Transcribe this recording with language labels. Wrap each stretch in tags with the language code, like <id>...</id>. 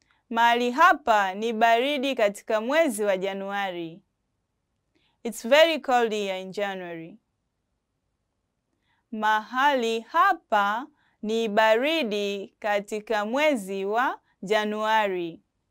<sw>Mahali hapa ni baridi katika mwezi wa Januari.</sw> <en>It's very cold here in January.</en> <sw>Mahali hapa ni baridi katika mwezi wa Januari.</sw>